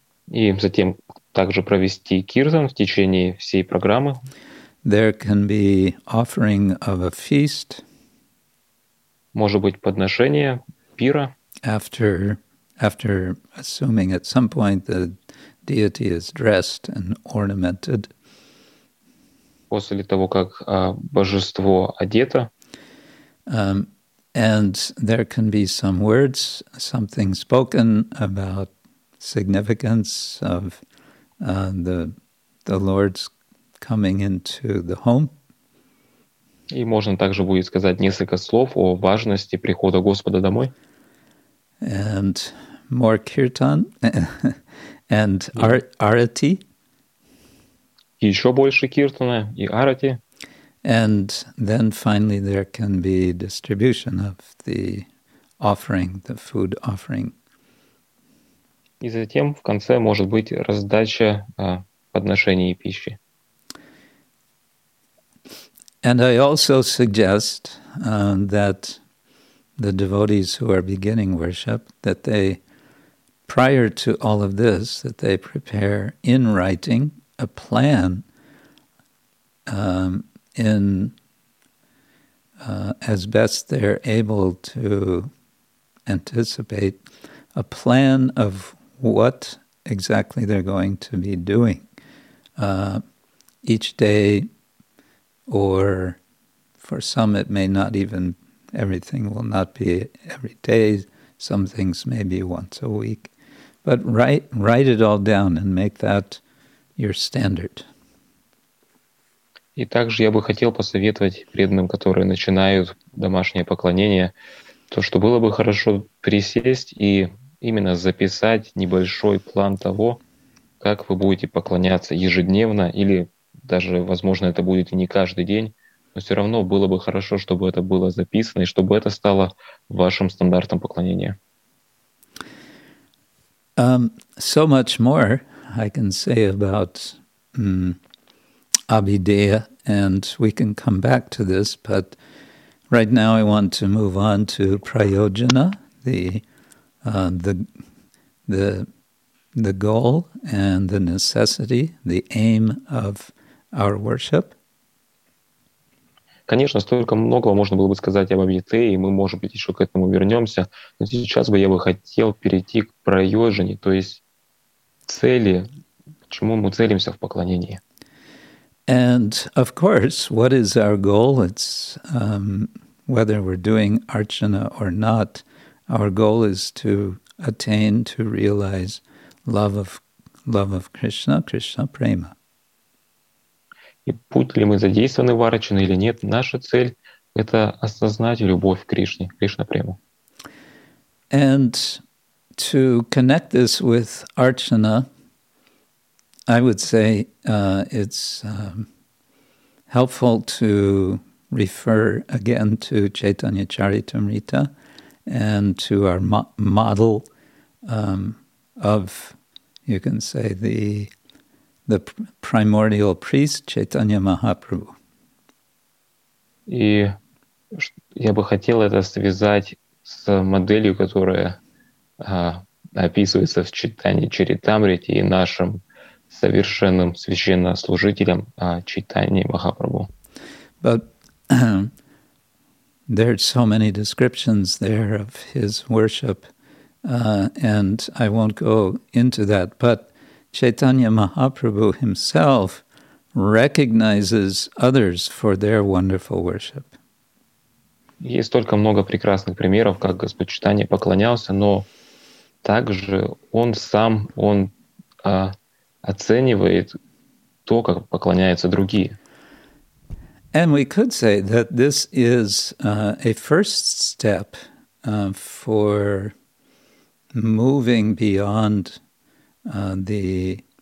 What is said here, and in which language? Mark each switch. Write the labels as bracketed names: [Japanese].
[Russian] И затем также провести киртан в течение всей программы. [English] There can be offering of a feast. [Russian] Может быть подношение пира. [English] After assuming at some point the deity is dressed and ornamented. [Russian] После того, как божество одето. [English] And there can be some words, something spoken about significance of the Lord's coming into the home. [Russian] И можно также будет сказать несколько слов о важности прихода Господа домой. [English] And more kirtan and arati. [Russian] Еще больше киртана и арати. [English] And then finally there can be distribution of the offering, the food offering. [Russian] И затем в конце может быть раздача подношений пищи. [English] And I also suggest that the devotees who are beginning worship, that they, prior to all of this, that they prepare in writing a plan as best they're able to anticipate a plan of what exactly they're going to be doing each day, or for some it may not even, everything will not be every day, some things may be once a week. But write it all down and make that your standard. [Russian] И также я бы хотел посоветовать преданным, которые начинают домашнее поклонение, то, что было бы хорошо присесть и именно записать небольшой план того, как вы будете поклоняться ежедневно, или даже, возможно, это будет и не каждый день, но все равно было бы хорошо, чтобы это было записано и чтобы это стало вашим стандартом поклонения. [English] So much more I can say about Abhideya, and we can come back to this, but right now I want to move on to Prayojana, the goal and the necessity, the aim of our worship. [Russian] Конечно, столько многого можно было бы сказать об Абхидее, и мы, может быть, еще к этому вернемся. Но сейчас бы я бы хотел перейти к прайоджане, то есть цели, к чему мы целимся в поклонении. [English] And, of course, what is our goal? It's whether we're doing archana or not, our goal is to attain, to realize love of Krishna, Krishna prema. [Russian] И будь ли мы задействованы в арчане или нет, наша цель — это осознать любовь к Кришне, Кришна прему. [English] And to connect this with archana, I would say it's helpful to refer again to Chaitanya Charitamrita and to our model of, you can say, the primordial priest, Chaitanya Mahaprabhu. [Russian] И Я бы хотел это связать с моделью, которая описывается в Чайтанье Чаритамрите и нашим совершенным священнослужителем Чайтанье Махапрабху. [English] But there are so many descriptions there of his worship, and I won't go into that. But Chaitanya Mahaprabhu himself recognizes others for their wonderful worship. [Russian] Есть только много прекрасных примеров, как Господь Чайтанья поклонялся, но также он сам, он оценивает то, как поклоняются другие. [English] And we could say that this is a first step for moving beyond the